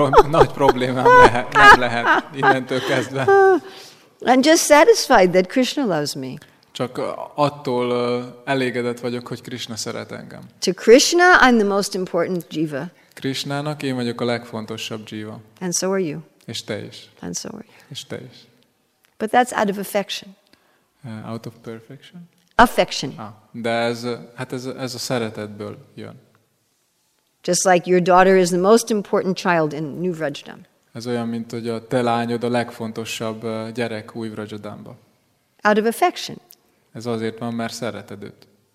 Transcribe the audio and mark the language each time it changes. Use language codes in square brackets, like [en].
[hu] Nagy problémám nem lehet innentől kezdve. [en] I'm just satisfied that Krishna loves me. [hu] Csak attól elégedett vagyok, hogy Krishna szeret engem. [en] To Krishna, I'm the most important jiva. [hu] Krishnának én vagyok a legfontosabb jiva. [en] And so are you. [hu] És te is. [en] And so are you. [hu] És te is. [en] But that's out of affection. Out of perfection? Affection. [hu] Ah, de ez a szeretetből jön. [en] Just like your daughter is the most important child in New Vrajadam. [hu] Ez olyan, mint hogy a te lányod a legfontosabb gyerek Új Vrajadamba. [en] Out of affection. [hu] Ez azért van, mert szereted őt.